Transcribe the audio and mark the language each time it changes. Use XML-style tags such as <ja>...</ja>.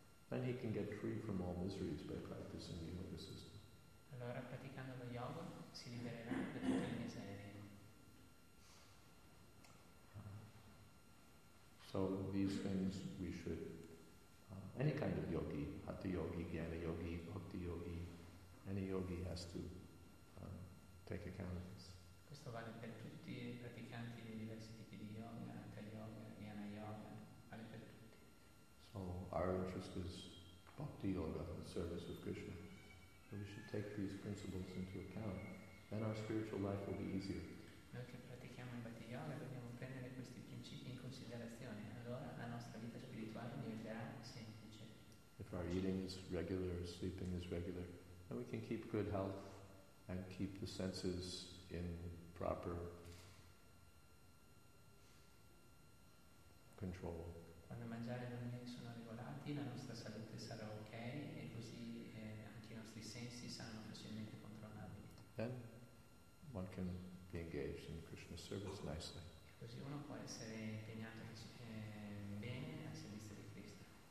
<en>Then he can get free from all miseries by practicing the yoga system.</en> <it>Allora, praticando lo yoga, si libererà da tutte le miserie.</it> <en>So these things we should, any kind of yogi, hatha yogi, jnana yogi, bhakti yogi, any yogi has to take account of this.</en> <it>Questo vale per tutti i praticanti di diversi tipi di yoga, hatha yoga, jnana yoga, vale per tutti.</it> <en>So our interest is bhakti yoga, the service of Krishna. So we should take these principles into account. Then our spiritual life will be easier.</en> <it>Noi che pratichiamo il bhakti yoga dobbiamo prendere questi principi in considerazione, allora la nostra vita spirituale diventerà semplice.</it> <en>If our eating is regular, sleeping is regular, then we can keep good health and keep the senses in proper control.</en> <it>Quando mangiare e dormire sono regolati, la nostra salute sarà ok e così anche i nostri sensi saranno facilmente controllabili.</it> <en>Then one can be engaged in Krishna's service nicely.</en> <it>Così uno può essere impegnato bene al servizio di Cristo.</it>